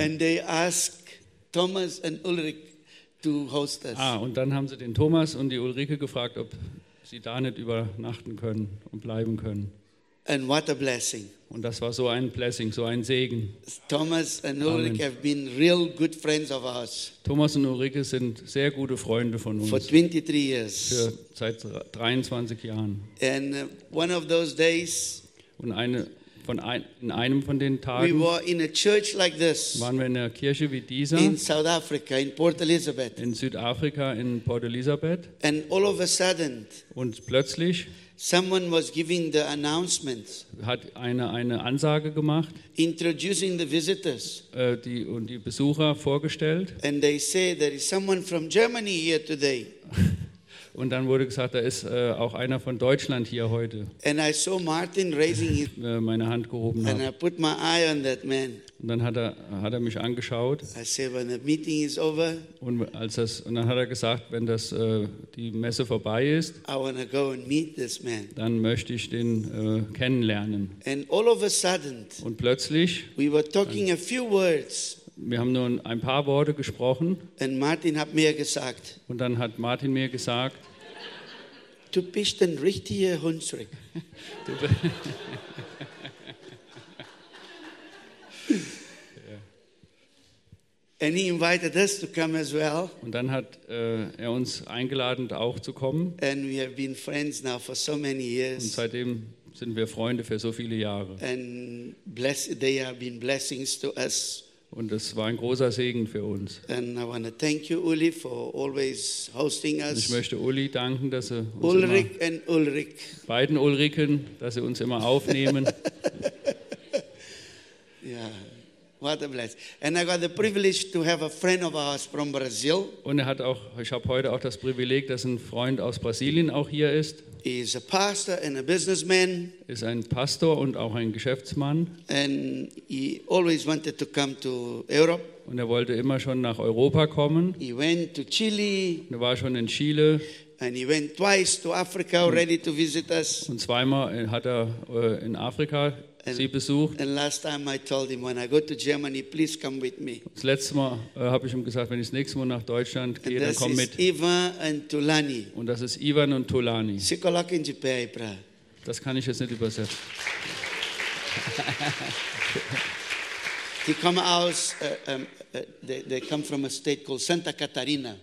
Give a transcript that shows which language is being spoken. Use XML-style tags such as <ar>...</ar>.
<en>And they asked Thomas and Ulrich to host us.</en> <de>Ah, und dann haben sie den Thomas und die Ulrike gefragt, ob sie da nicht übernachten können und bleiben können.</de> <en>And what a blessing.</en> <de>Und das war so ein Blessing, so ein Segen.</de> <en>Thomas and Ulrich have been real good friends of ours.</en> <de>Thomas und Ulrike sind sehr gute Freunde von uns.</de> <en>For 23 years.</en> <de>Seit 23 Jahren.</de> <en>And one of those days.</en> <de>Und in einem von den Tagen</de> <en>we were in a church like this,</en> <de>waren wir in einer Kirche wie dieser</de> <en>in South Africa, in Port Elizabeth.</en> <de>In Südafrika, in Port Elizabeth.</de> <en>And all of a sudden,</en> <de>und plötzlich</de> <en>someone was giving the announcements,</en> <de>hat eine Ansage gemacht,</de> <en>introducing the visitors,</en> <de>und die Besucher vorgestellt.</de> <en>And they say there is someone from Germany here today.</en> <de>Und dann wurde gesagt, da ist auch einer von Deutschland hier heute.</de> <en>And I saw Martin raising his</en> <de>meine Hand gehoben</de> <en>and</en> <de>hat.</de> <en>I put my eye on that man.</en> <de>Und dann hat er mich angeschaut.</de> <en>I said, when the meeting is over,</en> <de>und dann hat er gesagt, wenn das die Messe vorbei ist,</de> <en>I wanna go and meet this man.</en> <de>Dann möchte ich den kennenlernen.</de> <en>And all of a sudden,</en> <de>und plötzlich,</de> <en>we were talking a few words.</en> <de>Wir haben nur ein paar Worte gesprochen. Und Martin hat mir gesagt. Und dann hat Martin mir gesagt. Du bist ein richtiger Hunsrück.</de> <en>And he invited us to come as well.</en> <de>Und dann hat er uns eingeladen, auch zu kommen.</de> <en>And we have been friends now for so many years.</en> <de>Und seitdem sind wir Freunde für so viele Jahre.</de> <en>And they have been blessings to us.</en> <de>Und das war ein großer Segen für uns.</de> <en>And I want to thank you, Uli, for always hosting us.</en> <de>Ich möchte Uli danken, dass er uns Ulrich immer,</de> <en>and Ulrich.</en> <de>Beiden Ulriken, dass sie uns immer aufnehmen.</de> <en>Yeah, what a blessing. And I got the privilege to have a friend of ours from Brazil.</en> <de>Und ich habe heute auch das Privileg, dass ein Freund aus Brasilien auch hier ist.</de> <en>He is a pastor and a businessman.</en> <de>Ist ein Pastor und auch ein Geschäftsmann.</de> <en>And he always wanted to come to Europe.</en> <de>Und er wollte immer schon nach Europa kommen.</de> <en>He went to Chile.</en> <de>Und er war schon in Chile.</de> <en>And he went twice to Africa already to visit us.</en> <de>Und zweimal hat er in Afrika sie besucht.</de> <en>And last time I told him, when I go to Germany, please come with me.</en> <de>Das letzte Mal habe ich ihm gesagt, wenn ich das nächste Mal nach Deutschland gehe, dann komm mit.</de> <en>Ivan and Tulani.</en> <de>Und das ist Ivan und Tulani.</de> <pt>Se coloca em de pé aí pra.</pt> <de>Das kann ich jetzt nicht übersetzen. Die kommen aus,</de> <en>they come from a state called Santa Catarina.</en>